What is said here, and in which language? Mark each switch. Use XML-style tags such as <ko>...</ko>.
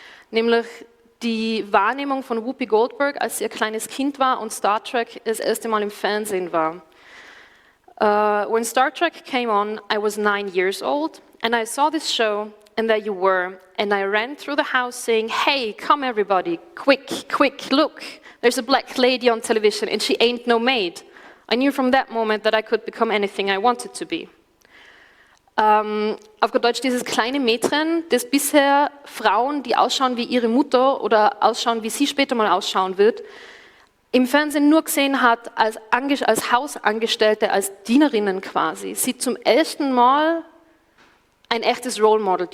<de>Nämlich die Wahrnehmung von Whoopi Goldberg, als sie ein kleines Kind war und Star Trek das erste Mal im Fernsehen war.</de> <en>When Star Trek came on, I was 9 years old and I saw this show and there you were. And I ran through the house saying, hey, come everybody, quick, quick, look, there's a black lady on television and she ain't no maid. I knew from that moment that I could become anything I wanted to be.</en> <de>Auf gut Deutsch, dieses kleine Mädchen, das bisher Frauen, die ausschauen wie ihre Mutter oder ausschauen, wie sie später mal ausschauen wird, im Fernsehen nur gesehen hat, als Hausangestellte, als Dienerinnen quasi, sieht zum ersten Mal ein echtes Role Model.</de>